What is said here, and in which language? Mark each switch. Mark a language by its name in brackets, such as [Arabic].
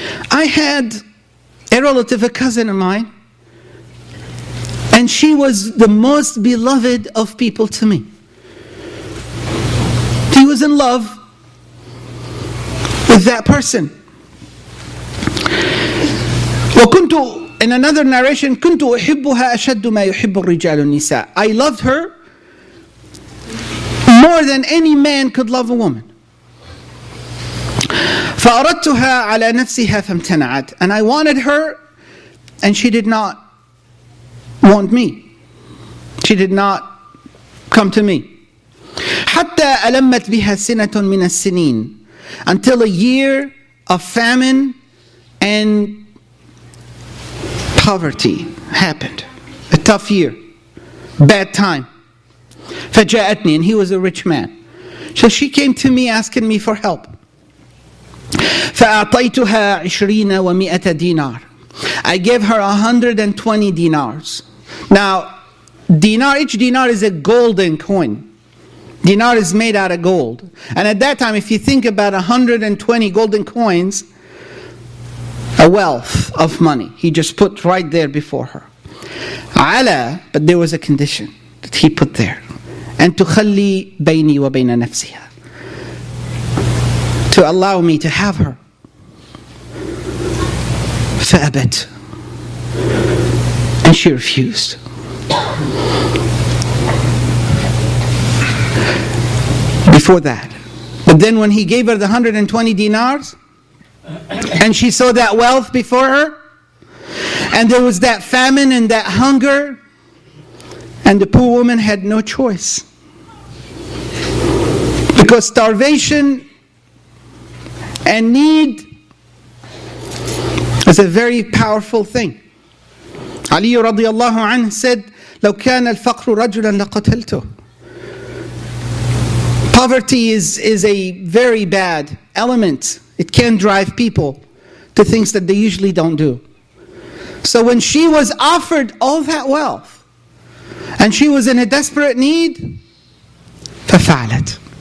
[English] I had a relative, a cousin of mine, and she was the most beloved of people to me. She was in love with that person. [Arabic] وكنت, [English] in another narration, [Arabic] كنت أحبها أشد ما يحب الرجال النساء. [English] I loved her more than any man could love a woman. [Arabic] فأردتها على نفسها فامتنعت. [English] And I wanted her, and she did not want me. She did not come to me. [Arabic] حتى ألمت بها سنة من السنين. [English] Until a year of famine and poverty happened. A tough year. Bad time. [Arabic] فجاءتني, [English] and he was a rich man. So she came to me asking me for help. [Arabic] فأعطيتها عشرين ومئة دينار. [English] I gave her 120 dinars. Now, dinar, each dinar is a golden coin. Dinar is made out of gold. And at that time, if you think about 120 golden coins, a wealth of money. He just put right there before her. على, but there was a condition that he put there. And to [Arabic] خلي بيني وبين نفسها. [English] To allow me to have her. [Arabic] فأبت. [English] And she refused. Before that. But then when he gave her the 120 dinars, and she saw that wealth before her, and there was that famine and that hunger, and the poor woman had no choice. Because starvation and need is a very powerful thing. Ali radiallahu anhu said, [Arabic] لو كان الفقر رجلا لقتلته. [English] Poverty is a very bad element. It can drive people to things that they usually don't do. So when she was offered all that wealth, and she was in a desperate need, [Arabic] ففعلت.